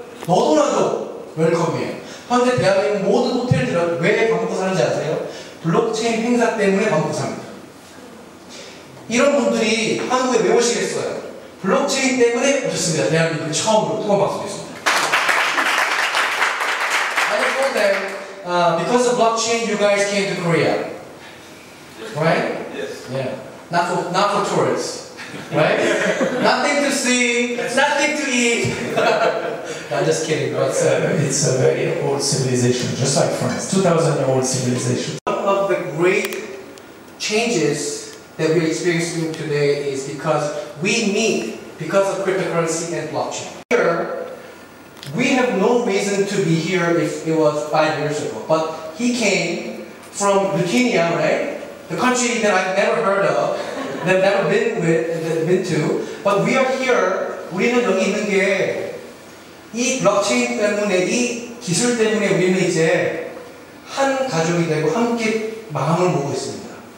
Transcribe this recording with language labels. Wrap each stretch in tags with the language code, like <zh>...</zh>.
<ko>너도나도 웰컴이에요. 현재 대한민국 모든 호텔들은 왜 방구사는지 아세요? 블록체인 행사 때문에 방구사입니다. 이런 분들이 한국에 왜 오시겠어요? 블록체인 때문에 오셨습니다. 대한민국 처음으로 뜨거운 박수 드리겠습니다.</ko> <en>I told them, because of blockchain, you guys came to Korea. Right? Yes. Yeah. Not for tourists. Right? Nothing to see, nothing to eat. No, I'm just kidding. But it's a very old civilization, just like France. 2000 year old civilization. One of the great changes that we're experiencing today is because we meet because of cryptocurrency and blockchain. Here, we have no reason to be here if it was 5 years ago. But he came from Lithuania, right? The country that I've never heard of. That I've never been to, but we are here.</en> <ko>우리는 여기 있는 게 이 블록체인 때문에 이 기술 때문에 우리는 이제 한 가족이 되고 함께 마음을 모으고 있습니다.</ko>